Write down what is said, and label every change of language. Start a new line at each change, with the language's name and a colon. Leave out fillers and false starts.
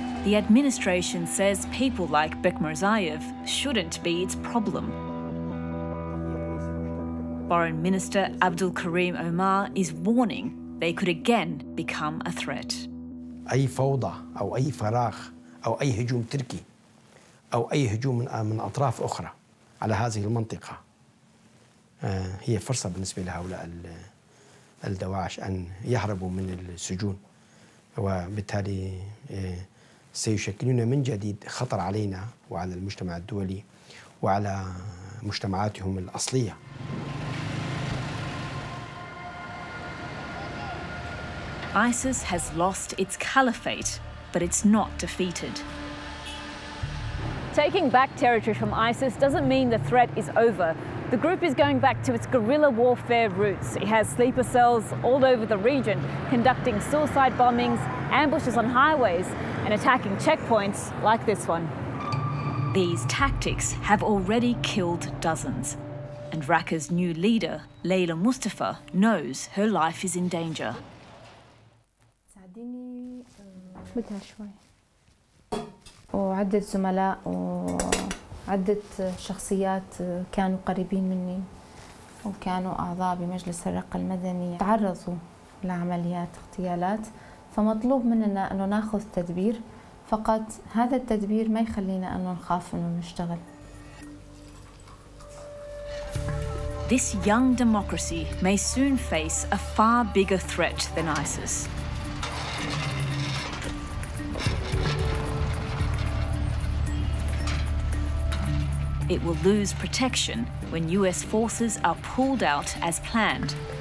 English: The administration says people like Bekmirzaev shouldn't be its problem. Foreign Minister Abdul Karim Omar is warning they could again become a threat.
Arabic: أي فوضى أو أي فراغ أو أي هجوم تركي أو أي هجوم من أطراف أخرى على هذه المنطقة هي فرصة بالنسبة لهؤلاء الدواعش أن يهربوا من السجون وبالتالي سيشكلون من جديد خطر علينا وعلى المجتمع الدولي وعلى مجتمعاتهم الأصلية.
English: ISIS has lost its caliphate, but it's not defeated. Taking back territory from ISIS doesn't mean the threat is over. The group is going back to its guerrilla warfare roots. It has sleeper cells all over the region, conducting suicide bombings, ambushes on highways, and attacking checkpoints like this one. These tactics have already killed dozens. And Raqqa's new leader, Leila Mustafa, knows her life is in danger.
Arabic: وعدت زملاء وعدت شخصيات كانوا قريبين مني وكانوا أعضاء بمجلس الرقة المدني تعرضوا لعمليات اغتيالات فمطلوب مننا أنه نأخذ تدبير فقط هذا التدبير ما يخلينا أنه نخاف أنه نشتغل.
English: This young democracy may soon face a far bigger threat than ISIS. It will lose protection when US forces are pulled out as planned.